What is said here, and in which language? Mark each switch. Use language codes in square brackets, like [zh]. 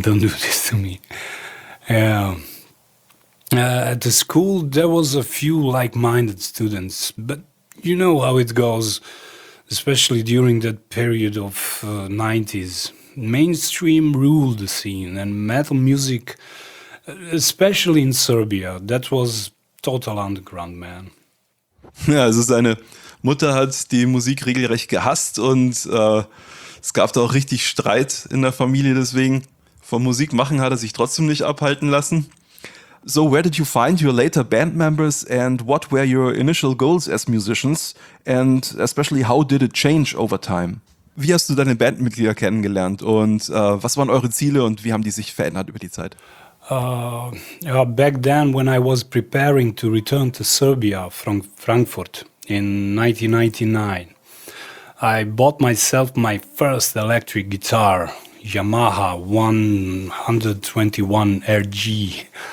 [en] Don't do this to me. Yeah. At the school, there was a few like-minded students, but you know how it goes, especially during that period of 90s. Mainstream ruled the scene, and metal music, especially in Serbia, that was total underground, man. [de] Ja, also seine Mutter hat die Musik regelrecht gehasst und es gab da auch richtig Streit in der Familie, deswegen vom Musikmachen hat er sich trotzdem nicht abhalten lassen. [en] So, where did you find your later band members and what were your initial goals as musicians and especially how did it change over time? [de] Wie hast du deine Bandmitglieder kennengelernt und was waren eure Ziele und wie haben die sich verändert über die Zeit? [en] Back then, when I was preparing to return to Serbia from Frankfurt in 1999, I bought myself my first electric guitar, Yamaha 121 RG.